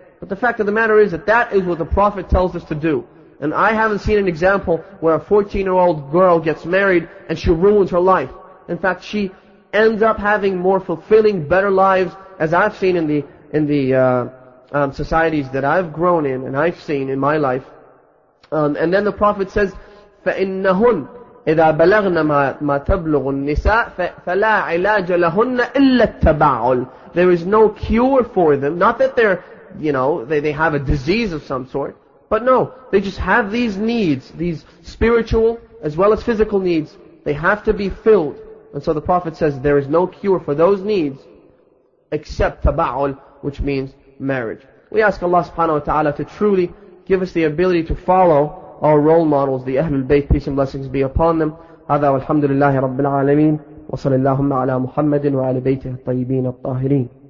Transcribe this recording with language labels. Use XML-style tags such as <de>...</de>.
<en>But the fact of the matter is that that is what the Prophet tells us to do. And I haven't seen an example where a 14-year-old girl gets married and she ruins her life. In fact, she ends up having more fulfilling, better lives, as I've seen in the societies that I've grown in and I've seen in my life. And then the Prophet says,</en> <ar>فَإِنَّهُنْ إِذَا بَلَغْنَ مَا تَبْلُغُ النِّسَاءَ فَلَا عِلَاجَ لَهُنَّ إِلَّا التَّبَعُلُ.</ar> <en>There is no cure for them. Not that they're, you know, they have a disease of some sort. But no, they just have these needs, these spiritual as well as physical needs. They have to be filled. And so the Prophet says there is no cure for those needs except taba'ul, which means marriage. We ask Allah subhanahu wa ta'ala to truly give us the ability to follow our role models, the Ahlul Bayt, peace and blessings be upon them.</en> <ar>هذا والحمد لله رب العالمين وصلى اللهم على محمد وعلى بيته الطيبين الطاهرين.</ar>